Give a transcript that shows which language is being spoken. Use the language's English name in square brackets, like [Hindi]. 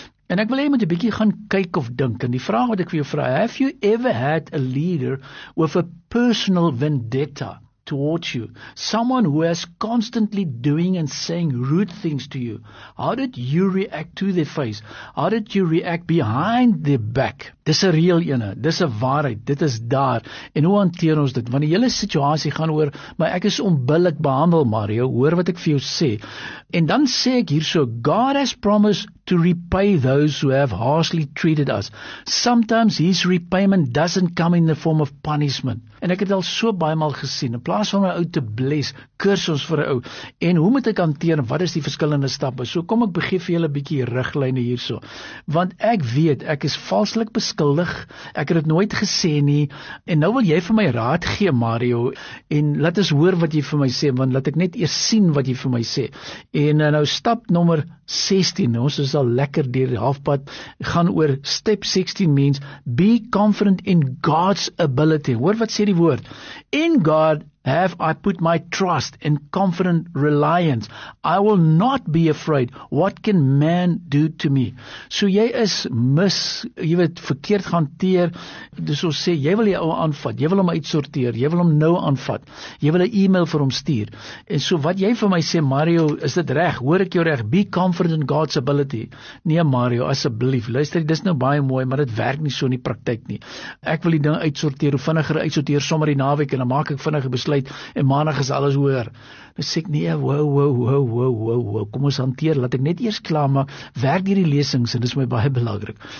[Afrikaans] En ek wil jy moet 'n bietjie gaan kyk of dink. En die vraag wat ek vir jou vra, [English] have you ever had a leader with a personal vendetta towards you? Someone who is constantly doing and saying rude things to you. How did you react to their face? How did you react behind their back? [Afrikaans] Dis 'n reël ene, dis 'n waarheid, dit is daar. En hoe hanteer ons dit? Want die hele situasie gaan oor, maar ek is onbillik behandel, Mario, hoor wat ek vir jou sê. En dan sê ek hierso, [English] God has promised to repay those who have harshly treated us. Sometimes his repayment doesn't come in the form of punishment. [Afrikaans] En ek het al so baie mal gesien, in plaas van my ou te bless, kurs ons vir 'n ou. En hoe moet ek hanteer, wat is die verskillende stappe? So kom ek begee vir julle 'n bietjie riglyne hierso. Want ek weet, ek is valslik skuldig, ek het dit nooit gesê nie, en nou wil jy vir my raad gee, Mario, en laat ons hoor wat jy vir my sê, want laat ek net eers sien wat jy vir my sê, en nou stap nommer 16, ons is al lekker deur die halfpad, gaan oor [English] step 16 means, be confident in God's ability, [Afrikaans] hoor wat sê die woord, [English] in God have I put my trust and confident reliance. I will not be afraid. What can man do to me? [Afrikaans] So jy is mis, jy weet, verkeerd hanteer. Dus ons sê, jy wil die ouwe aanvat, jy wil hom uitsorteer, jy wil hom nou aanvat, jy wil 'n e-mail vir hom stuur. En so wat jy vir my sê, Mario, is dit reg? Hoor ek jou reg? [English] Be confident in God's ability. [Afrikaans] Nee, Mario, asseblief, luister, dit is nou baie mooi, maar dit werk nie so in die praktijk nie. Ek wil die ding uitsorteer, hoe vinniger uitsorteer, sommer die naweek, en dan maak ek vinnige besluit, en maandag is alles hoor. Dan sê ek nie, wow, kom ons hanteer, laat ek net eers klaar maak, werk hierdie lesings, en dis my baie belangrik.